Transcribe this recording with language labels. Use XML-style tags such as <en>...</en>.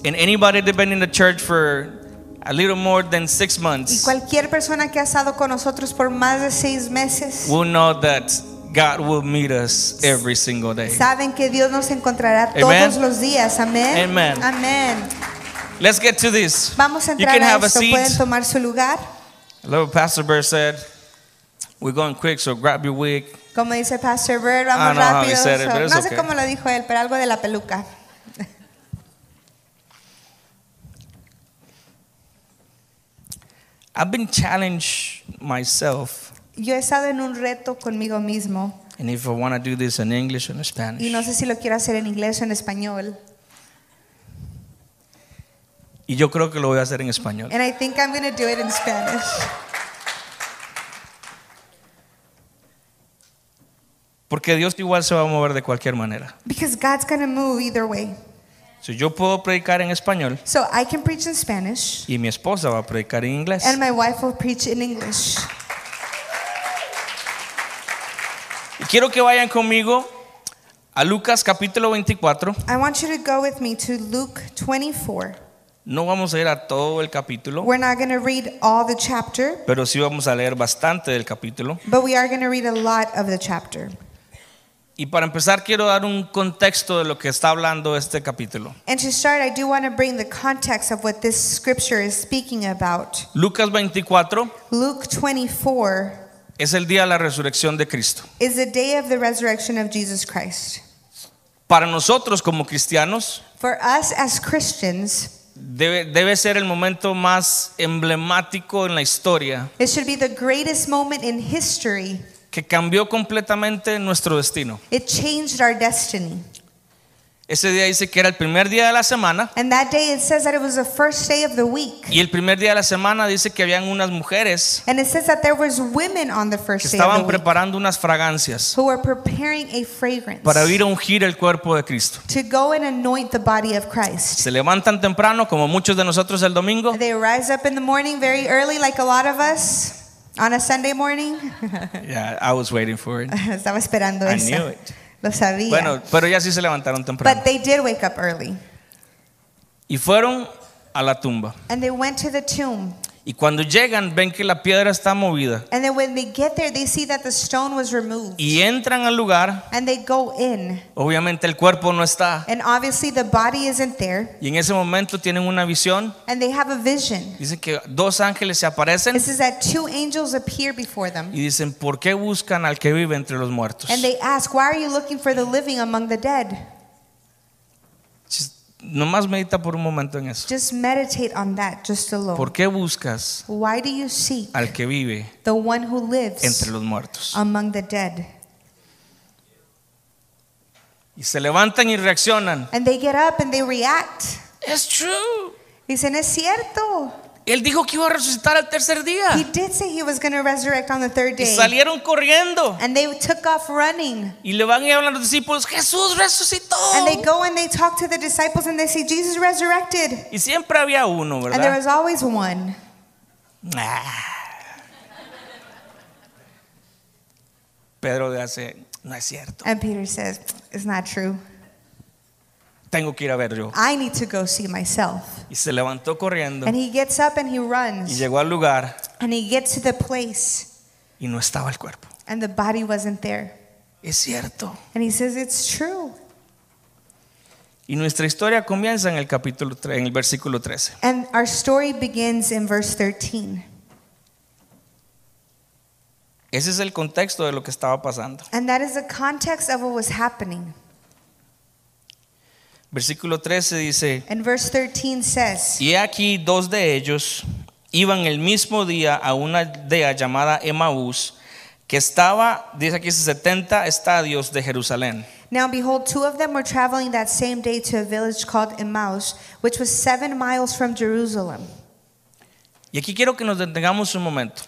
<en>And anybody that's been in the church for a little more than 6 months,</en> <es>y cualquier persona que ha estado con nosotros por más de 6 meses,</es> <en>will know that God will meet us every single day.</en> <es>Saben que Dios nos encontrará todos los días. Amen. Amen. Amen.</es> <en>Let's get to this.</en> <es>Vamos a entrar.</es> <en>You can a have</en> <es>esto.</es> <en>A seat.</en> <es>Pueden tomar su lugar.</es> <en>Little Pastor Bird said, "We're going quick, so grab your wig."</en> <es>Como dice Pastor Bird, vamos rápido.</es> <en>I don't know how he said it, but it's</en> <es>no</es> <en>okay.</en> <es>Sé cómo lo dijo él, pero algo de la peluca.</es> <en>I've been challenged myself.</en> <es>Yo he estado en un reto conmigo mismo.</es> <en>And if I want to do this in English or in Spanish.</en> <es>Y no sé si lo quiero hacer en inglés o en español. Y yo creo que lo voy a hacer en español.</es> <en>And I think I'm going to do it in Spanish.</en> <es>Porque Dios igual se va a mover de cualquier manera.</es> <en>Because God's going to move either way.</en> <es>So yo puedo predicar en español.</es> <en>So I can preach in Spanish.</en> <es>Y mi esposa va a predicar en inglés.</es> <en>And my wife will preach in English.</en> <es>Y quiero que vayan conmigo a Lucas capítulo 24.</es> <en>I want you to go with me to Luke 24.</en> <es>No vamos a leer a todo el capítulo.</es> <en>We're not going to read all the chapter.</en> <es>Pero sí vamos a leer bastante del capítulo.</es> <en>But we are going to read a lot of the chapter.</en> <es>Y para empezar quiero dar un contexto de lo que está hablando este capítulo.</es> <en>And to start, I do want to bring the context of what this scripture is speaking about.</en> <es>Lucas 24.</es> <en>Luke 24.</en> <es>Es el día de la resurrección de Cristo.</es> <en>Is the day of the resurrection of Jesus Christ.</en> <es>Para nosotros como cristianos.</es> <en>For us as Christians.</en> <es>Debe ser el momento más emblemático en la historia.</es> <en>It should be the greatest moment in history.</en> <es>Que cambió completamente nuestro destino.</es> <en>It changed our destiny.</en> <es>Ese día dice que era el primer día de la semana.</es> <en>And that day it says that it was the first day of the week.</en> <es>Y el primer día de la semana dice que habían unas mujeres.</es> <en>And it says that there was women on the first day of the week.</en> <es>Estaban preparando unas fragancias.</es> <en>Who were preparing a fragrance.</en> <es>Para ir a ungir el cuerpo de Cristo.</es> <en>To go and anoint the body of Christ.</en> <es>Se levantan temprano como muchos de nosotros el domingo.</es> <en>They rise up in the morning very early like a lot of us. On a Sunday morning. Yeah, I was waiting for it.</en> <es>Estaba esperando</es> <en>I</en> <es>eso.</es> <en>Knew it.</en> <es>Lo sabía. Bueno, pero ya sí se levantaron temprano.</es> <en>But they did wake up early.</en> <es>Y fueron a la tumba.</es> <en>And they went to the tomb.</en> <es>Y cuando llegan, ven que la piedra está movida.</es> <en>And then when they get there, they see that the stone was removed.</en> <es>Y entran al lugar.</es> <en>And they go in.</en> <es>Obviamente el cuerpo no está.</es> <en>And obviously the body isn't there.</en> <es>Y en ese momento tienen una visión.</es> <en>And they have a vision.</en> <es>Dicen que dos ángeles se aparecen.</es> <en>It says that two angels appear before them.</en> <es>Y dicen, ¿por qué buscan al que vive entre los muertos?</es> <en>And they ask, why are you looking for the living among the dead?</en> <es>Nomás medita por un momento en eso.</es> <en>Just meditate on that just alone.</en> <es>¿Por qué buscas?</es> <en>Why do you seek</en> <es>al que vive</es> <en>the one who lives</en> <es>entre los muertos?</es> <en>Among the dead.</en> <es>Y se levantan y reaccionan.</es> <en>And they get up and they react. It's true.</en> <es>Dicen, es cierto. Él dijo que iba a resucitar al tercer día.</es> <en>He did say he was going to resurrect on the third day.</en> <es>Y salieron corriendo.</es> <en>And they took off running.</en> <es>Y le van y hablan a los discípulos, Jesús resucitó.</es> <en>And they go and they talk to the disciples and they say, Jesus resurrected.</en> <es>Y siempre había uno, ¿verdad?</es> <en>And there was always one. Nah.</en> <es>Pedro dice, no es cierto.</es> <en>And Peter says, it's not true.</en> <es>Tengo que ir a ver yo.</es> <en>I need to go see myself.</en> <es>Y se levantó corriendo.</es> <en>And he gets up and he runs.</en> <es>Y llegó al lugar.</es> <en>And he gets to the place.</en> <es>Y no estaba el cuerpo.</es> <en>And the body wasn't there.</en> <es>Es cierto.</es> <en>And he says it's true.</en> <es>Y nuestra historia comienza en el capítulo 3, en el versículo 13.</es> <en>And our story begins in verse 13.</en> <es>Ese es el contexto de lo que estaba pasando.</es> <en>And that is the context of what was happening.</en> <es>Versículo 13 dice,</es> <en>and verse 13 says,</en> <es>y aquí dos de ellos iban el mismo día a una aldea llamada Emmaús, que estaba, dice aquí, 70 estadios de Jerusalén.</es> <en>Now behold, two of them were traveling that same day to a village called Emmaús, which was 7 miles from Jerusalem.</en> <es>Y aquí quiero que nos detengamos un momento.</es>